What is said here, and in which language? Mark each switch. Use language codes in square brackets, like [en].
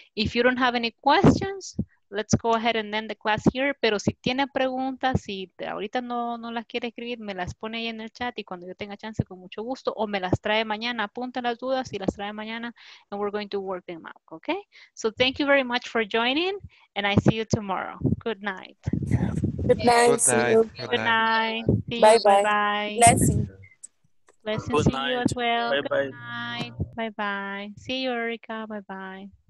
[en] If you don't have any questions, let's go ahead and end the class here. [es] Pero si tiene preguntas, si ahorita no las quiere escribir, me las pone ahí en el chat y cuando yo tenga chance, con mucho gusto. O me las trae mañana, apunta las dudas y las trae mañana. [en] And we're going to work them out, okay? So thank you very much for joining. And I see you tomorrow. Good night. Good night. Good night. See you. Good night. See you. Bye-bye. Bye-bye. Blessings. Blessings to you as well. Bye-bye. Good night. Bye-bye. See you, Erica. Bye-bye.